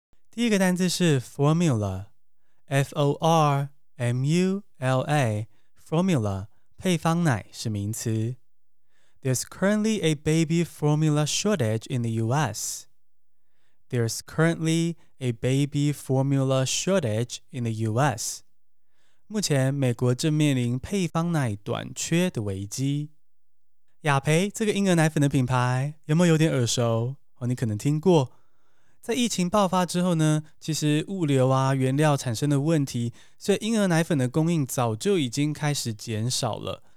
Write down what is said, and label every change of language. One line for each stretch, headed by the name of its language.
Chinese: 第一个单字是 formula， F-O-R-M-U-L-A， formula， 配方奶是名词。
English: There's currently a baby formula shortage in the U.S. There's currently a baby formula shortage in the U.S.
Chinese: 目前美国正面临配方奶短缺的危机。雅培这个婴儿奶粉的品牌有没有有点耳熟？你可能听过。在疫情爆发之后呢，其实物流啊原料产生的问题，所以婴儿奶粉的供应早就已经开始减少了。